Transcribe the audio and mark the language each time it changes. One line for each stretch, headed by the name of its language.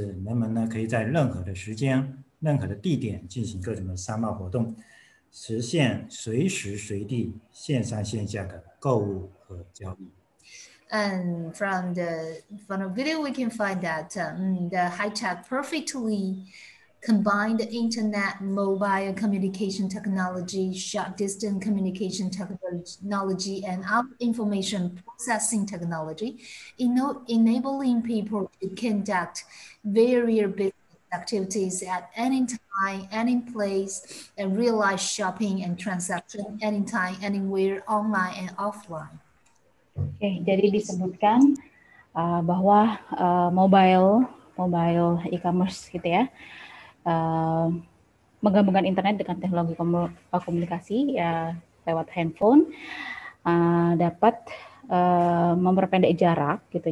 Chinese: 所以就像视频中我们看到的，移动电子商务呢，它将互联网、移动通讯技术、短距离通信技术及其他的这种信息处理技术完美的去结合，使人们呢可以在任何的时间。任何的地点进行各种的商贸活动，实现随时随地线上线下的购物和交易。
English: And from the video, we can find that the high tech perfectly combined internet, mobile communication technology, short distance communication technology, and other information processing technology, enabling people to conduct various business activities at any time, any place, and realize shopping and transaction anytime, anywhere, online and offline.
Indonesian: Okay, jadi disebutkan bahwa mobile e-commerce gitu, ya, menggabungkan internet dengan teknologi komunikasi, ya, lewat handphone dapat memperpendek jarak gitu.